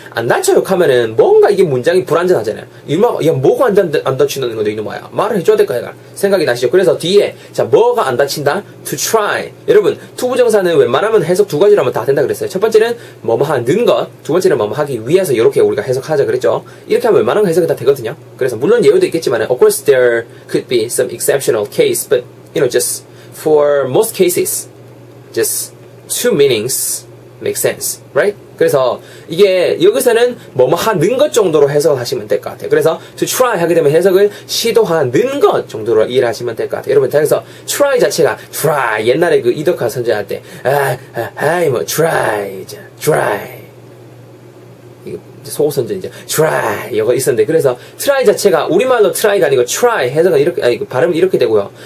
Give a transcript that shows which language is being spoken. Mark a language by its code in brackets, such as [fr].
[ko] 안 다쳐요 하면은 뭔가 이게 문장이 불완전하잖아요. 이마 야 뭐가 안 다치는 건데 이놈아야 말을 해줘야 될 거야 생각이 나시죠. 그래서 뒤에 자 뭐가 안 다친다 to try. 여러분 to 부정사는 웬만하면 해석 두 가지로 하면 다 된다 그랬어요. 첫 번째는 뭐뭐 하는 것, 두 번째는 뭐뭐 하기 위해서 이렇게 우리가 해석하자 그랬죠. 이렇게 하면 웬만한 해석이 다 되거든요. 그래서 물론 예외도 있겠지만 [en] of course there could be some exceptional case, but you know, just for most cases, just two meanings make sense, right? [ko] 그래서 이게 여기서는 뭐뭐 하는 것 정도로 해석을 하시면 될 것 같아요. 그래서 to try 하게 되면 해석을 시도하는 것 정도로 이해를 하시면 될 것 같아요. 여러분, 그래서 try 자체가 try 옛날에 그 이덕화 선제할 때 뭐 try 소호선전 이제 try 이거 있었는데 그래서 try 자체가 우리말로 try가 아니고 try 해석은 이렇게 아니 발음은 이렇게 되고요.